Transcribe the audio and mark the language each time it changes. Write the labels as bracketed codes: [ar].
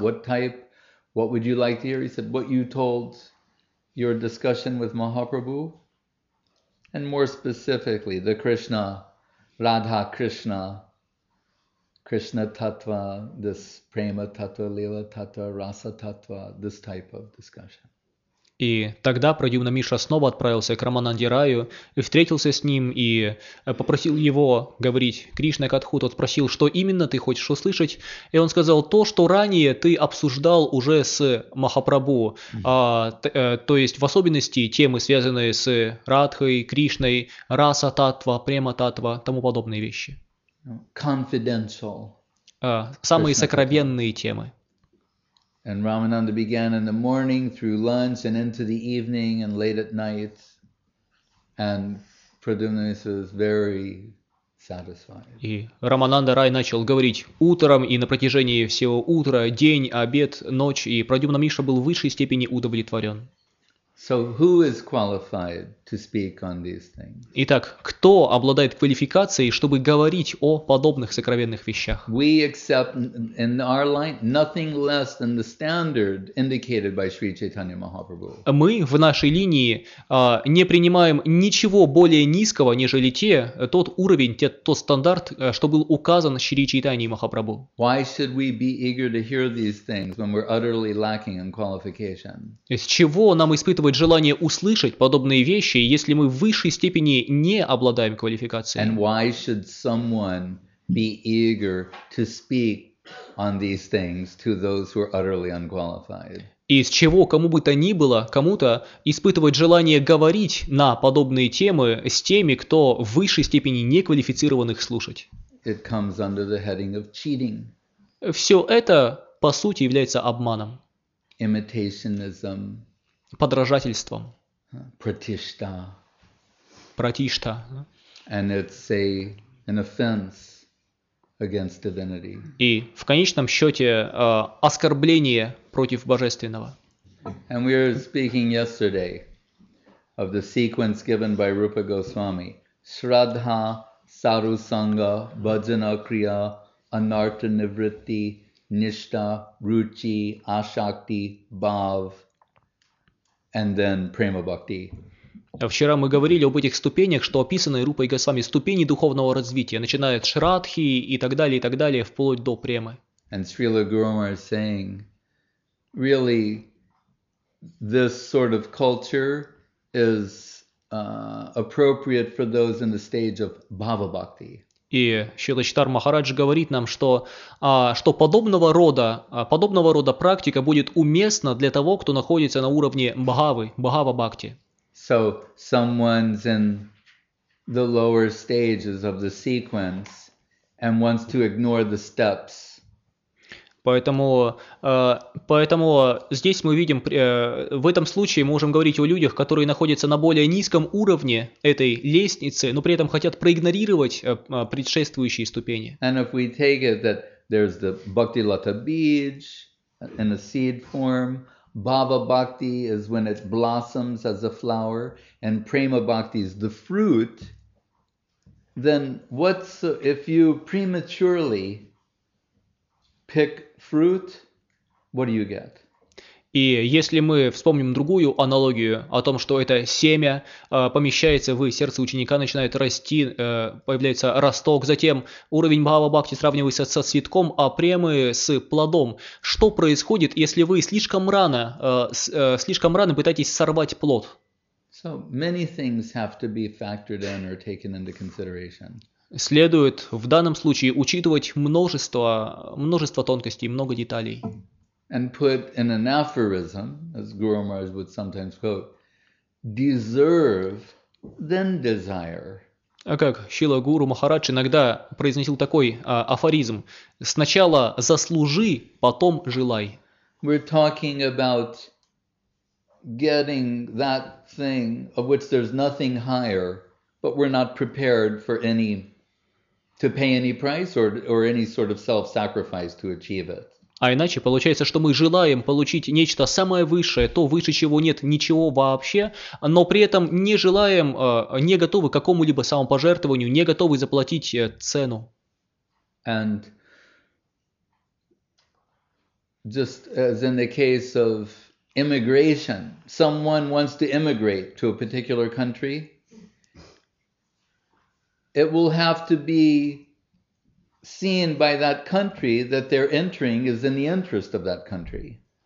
[en] What type, what would you like to hear? He said, what you told your discussion with Mahaprabhu, and more specifically, the Krishna, Radha Krishna, Krishna Tattva, this Prema Tattva, Lila Tattva, Rasa Tattva, this type of discussion. [ru] И тогда Прадьюмна Мишра снова отправился к Рамананде Раю и встретился с ним и попросил его говорить Кришна Катху. Тот спросил, что именно ты хочешь услышать. И он сказал, то, что ранее ты обсуждал уже с Махапрабху, то есть в особенности темы, связанные с Радхой, Кришной, Раса Тattva, Према Тattva, тому подобные вещи. [en] Confidential. [ru] Самые сокровенные темы. [en] And Ramananda began in the morning through lunch and into the evening and late at night. And Pradyumna Misra was very satisfied. [ru] И Рамананда Рай начал говорить утром и на протяжении всего утра, день, обед, ночь. И Прадьюмна Мишра был в высшей степени удовлетворен. [en] So who is qualified to speak on these things? [ru] Итак, кто обладает квалификацией, чтобы говорить о подобных сокровенных вещах? [en] We accept in our line nothing less than the standard indicated by Sri Chaitanya Mahaprabhu. [ru] Мы в нашей линии не принимаем ничего более низкого, нежели тот уровень, тот стандарт, что был указан Шри Чайтанья Махапрабху. [en] Why should we be eager to hear these things when we're utterly lacking in qualification? [ru] С чего нам испытывать желание услышать подобные вещи, если мы в высшей степени не обладаем квалификацией? [en] And why should someone be eager to speak on these things to those who are utterly unqualified? [ru] И с чего кому бы то ни было, кому-то испытывать желание говорить на подобные темы с теми, кто в высшей степени неквалифицированных слушать? [en] It comes under the heading of cheating. [ru] Все это, по сути, является обманом. [en] Imitationism. [ru] Подражательством. [en] Pratishtha. [ru] Pratishtha. [en] And it's an offense against divinity. [ru] И в конечном счете оскорбление против божественного. [en] And we were speaking yesterday of the sequence given by Rupa Goswami. Shraddha, Sarusanga, Bhajana Kriya, Anartha Nivritti, Nishta, Ruchi, Ashakti, Bhav. And then prema bhakti. [ru] Вчера мы говорили об этих ступенях, что описаны Рупой Госвами, ступени духовного развития, начиная от шрадхи и так далее, вплоть до премы. [en] And Srila Guru Maharaj is saying, really, this sort of culture is appropriate for those in the stage of bhava bhakti. [ru] И Шрила Читар Махарадж говорит нам, что, что подобного рода практика будет уместна для того, кто находится на уровне бхавы, бхава-бхакти. [en] So, someone's in the lower stages of the sequence and wants to ignore the steps. [ru] Поэтому здесь мы видим, в этом случае мы можем говорить о людях, которые находятся на более низком уровне этой лестницы, но при этом хотят проигнорировать предшествующие ступени. [en] And if we take it that there's the Bhakti Lata Beej in a seed form, Bhava Bhakti is when it blossoms as a flower, and Prema Bhakti is the fruit, then what's if you prematurely pick fruit, what do you get? [ru] И если мы вспомним другую аналогию о том, что это семя помещается в сердце ученика, начинает расти, появляется росток, затем уровень Бхава-Бхакти сравнивается со цветком, а премы с плодом. Что происходит, если вы слишком рано пытаетесь сорвать плод? [en] So many things have to be factored in or taken into consideration. [ru] Следует в данном случае учитывать множество тонкостей, много деталей. [en] And put in an aphorism, as Guru Maharaj would sometimes quote, deserve, then desire. [ru] Как Шрила Гуру Махарадж иногда произносил такой афоризм: сначала заслужи, потом желай. [en] We're talking about getting that thing of which there's nothing higher, but we're not prepared for any to pay any price or any sort of self-sacrifice to achieve it. [ru] А иначе получается, что мы желаем получить нечто самое высшее, то, выше чего нет ничего вообще, но при этом не желаем, не готовы к какому-либо самопожертвованию, не готовы заплатить цену. [en] And just as in the case of immigration, someone wants to immigrate to a particular country, it will have to be seen by that country that they're entering is in the interest of that country.